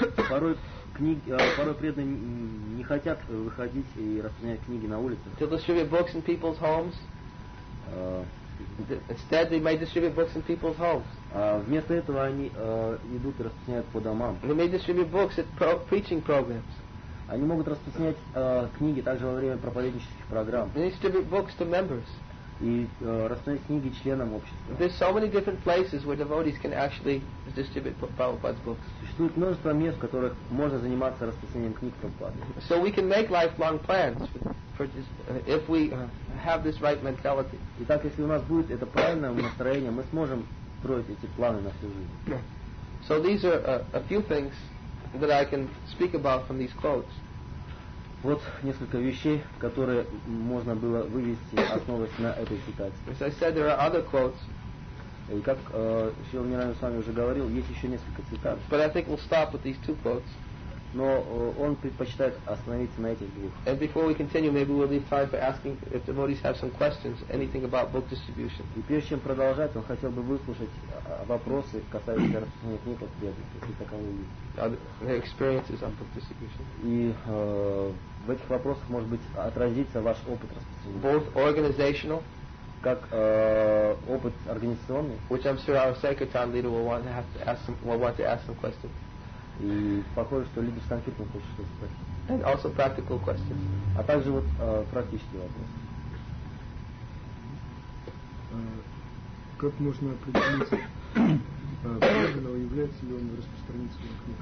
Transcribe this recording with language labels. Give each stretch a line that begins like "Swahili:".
Russian: Порой преданные не хотят выходить и распространять книги на улицах.
English: To distribute books in people's homes. Instead, they may distribute books in people's homes.
Russian: Вместо этого они идут и распространяют по домам.
English: They may distribute books at preaching programs.
Russian: Они могут распространять книги также во время проповеднических программ.
English: They distribute books to members.
Russian: И распространять книги членам общества.
English: There's so many different places where devotees can actually distribute Prabhupada's books.
Russian: Существует множество мест, в которых можно заниматься распространением книг Прабхупады.
English: So we can make lifelong plans for this, if we have this right mentality.
Russian: Итак, если у нас будет это правильное настроение, мы сможем строить эти планы на всю жизнь.
English: So these are a few things that I can speak about from these quotes.
Russian: Вот несколько вещей, которые можно было вывести, основываясь на этой цитате.
English: As I said, there are other quotes.
Russian: И как Шрила Нирайана с вами уже говорил, есть еще несколько цитат.
English: But I think we'll stop with these two quotes.
Russian: Но он предпочитает остановиться на этих двух.
English: And before we continue, maybe we'll leave time for asking if the devotees have some questions, anything about book distribution.
Russian: И прежде чем продолжать, он хотел бы выслушать вопросы, касающиеся распространения книг от преданных, если таковые есть.
English: Experiences on book distribution.
Russian: И в этих вопросах может быть отразится ваш опыт распространения.
English: Both organizational.
Russian: Как опыт организационный.
English: Which I'm sure our Sankirtan leader will want to ask some questions.
Russian: И похоже, что лидер Санкиртан хочет что-то спросить.
English: And also practical questions.
Russian: А также вот практические вопросы. Как можно определить, правильного является ли он распространителем книг?